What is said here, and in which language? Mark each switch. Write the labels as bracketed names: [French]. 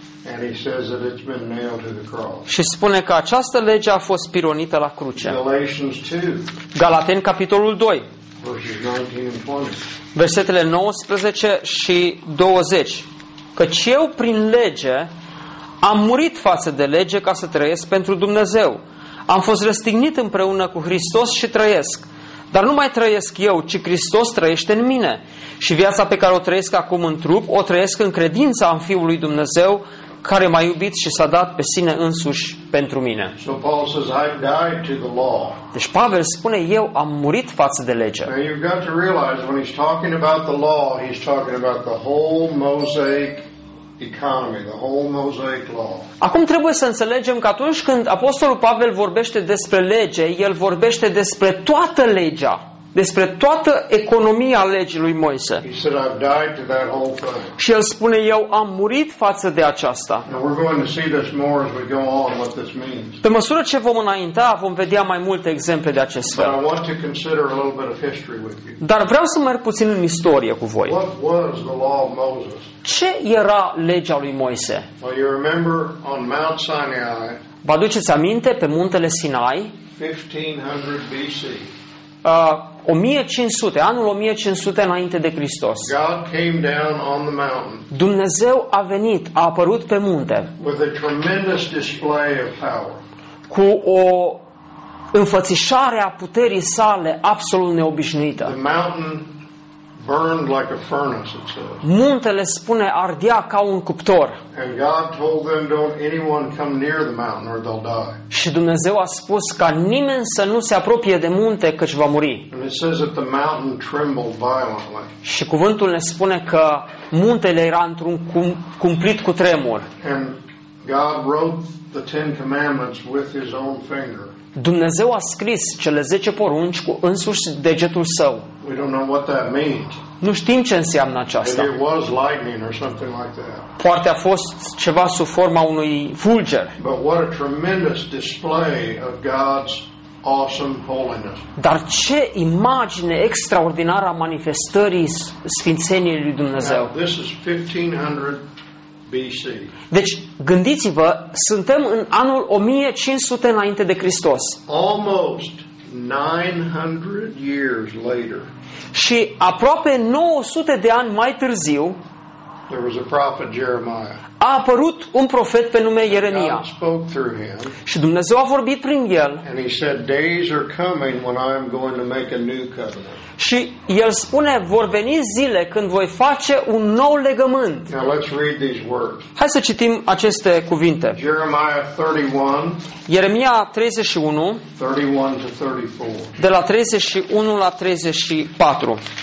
[English] And he says that it's been nailed to the cross. [Romanian] Și spune că această lege a fost pironită la cruce. [English] Galatians 2. [Romanian] Galateni capitolul 2. [English] Verses 19 and 20. [Romanian] Versetele 19 și 20. Căci eu prin lege am murit față de lege ca să trăiesc pentru Dumnezeu. Am fost răstignit împreună cu Hristos și trăiesc. Dar nu mai trăiesc eu, ci Hristos trăiește în mine. Și viața pe care o trăiesc acum în trup, o trăiesc în credința în Fiul lui Dumnezeu, care m-a iubit și s-a dat pe sine însuși pentru mine. [English] So Paul says, I died to the law. [Romanian] Deci Pavel spune, eu am murit față de lege. [English] Now you've got to realize, when he's talking about the law, he's talking about the whole Mosaic economy, the whole Mosaic law. [Romanian] Acum trebuie să înțelegem că atunci când apostolul Pavel vorbește despre lege, el vorbește despre toată legea, despre toată economia legii lui Moise. [English] He said, I've died to that whole thing. [Romanian] Și el spune, eu am murit față de aceasta. [English] Now we're going to see this more as we go on, what this means. [Romanian] Pe măsură ce vom înainta, vom vedea mai multe exemple de acest fel. [English] But I want to consider a little bit of history with you. [Romanian] Dar vreau să merg puțin în istorie cu voi. [English] What was the law of Moses? [Romanian] Ce era legea lui Moise? [English] Well, you remember on Mount Sinai. [Romanian] Vă aduceți aminte pe muntele Sinai? [English] 1500 BC. [Romanian] 1500, anul 1500 înainte de Hristos. [English] God came down on the mountain. [Romanian] Dumnezeu a venit, a apărut pe munte. [English] With a tremendous display of power. [Romanian] Cu o înfățișare a puterii sale absolut neobișnuită. [English] The mountain burned like a furnace, it says. [Romanian] Muntele spune ardea ca un cuptor. [English] And God told them, don't anyone come near the mountain or they'll die. [Romanian] Și Dumnezeu a spus ca nimeni să nu se apropie de munte, căci va muri. [English] And it says that the mountain trembled violently. [Romanian] Și cuvântul ne spune că muntele era într-un cumplit cu tremur. [English] And God wrote the Ten Commandments with his own finger. [Romanian] Dumnezeu a scris cele 10 porunci cu însuși degetul său. [English] We don't know what that means. [Romanian] Nu știm ce înseamnă aceasta. [English] It was lightning or something like that. [Romanian] Poate a fost ceva sub forma unui fulger. [English] But what a tremendous display of God's awesome holiness. [Romanian] Dar ce imagine extraordinară a manifestării sfințeniei lui Dumnezeu. [English] Now, this is 1500 BC. [Romanian] Deci, gândiți-vă, suntem în anul 1500 înainte de Hristos. [English] Almost 900 years later. [Romanian] Și aproape 900 de ani mai târziu, [English] there was a prophet Jeremiah. [Romanian] A apărut un profet pe nume Ieremia. [English] And God spoke through him. [Romanian] Și Dumnezeu a vorbit prin el. [English] And he said, days are coming when I am going to make a new covenant. [Romanian] Și el spune, vor veni zile când voi face un nou legământ. [English] Now let's read these words. [Romanian] Hai să citim aceste cuvinte. [English] Jeremiah 31. [Romanian] Ieremia 31. [English] 31 to 34. [Romanian] De la 31 la 34.